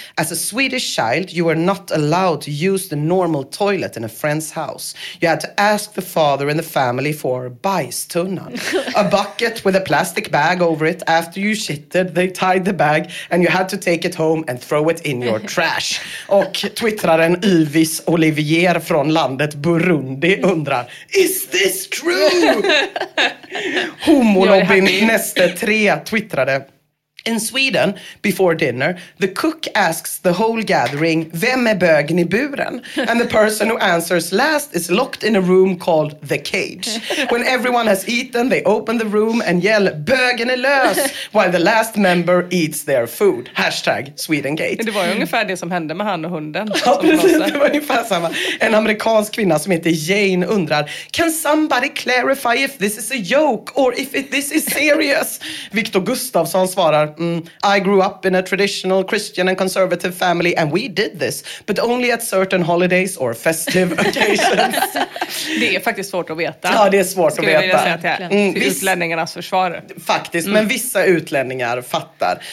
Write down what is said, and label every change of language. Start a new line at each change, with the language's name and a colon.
English: As a Swedish child, you were not allowed to use the normal toilet in a friend's house. You had to ask the father in the family for bajstunnan. A bucket with a plastic bag over it. After you shitted, they tied the bag and you had to take it home and throw it in your trash.
Swedish: Och twittraren Yvis Olivier från landet Burundi undrar:
English: Is this true?
Swedish: Homolobbyn nästa. Tre twittrade:
English: In Sweden, before dinner, the cook asks the whole gathering,
Swedish: vem är bögen i buren?
English: And the person who answers last is locked in a room called the cage. When everyone has eaten, they open the room and yell,
Swedish: bögen är lös,
English: while the last member eats their food. Hashtag Swedengate.
Swedish: Det var ju ungefär det som hände med han och hunden. Ja, precis, det var ungefär samma. En amerikansk kvinna som heter Jane undrar,
English: can somebody clarify if this is a joke or if this is serious? Victor Gustafsson
Swedish: svarar:
English: I grew up in a traditional Christian and conservative family and we did this, but only at certain holidays or festive occasions.
Swedish: Det är faktiskt svårt att veta. Ja, det är svårt att veta. Utlänningarnas försvar. Faktiskt, men vissa utlänningar fattar.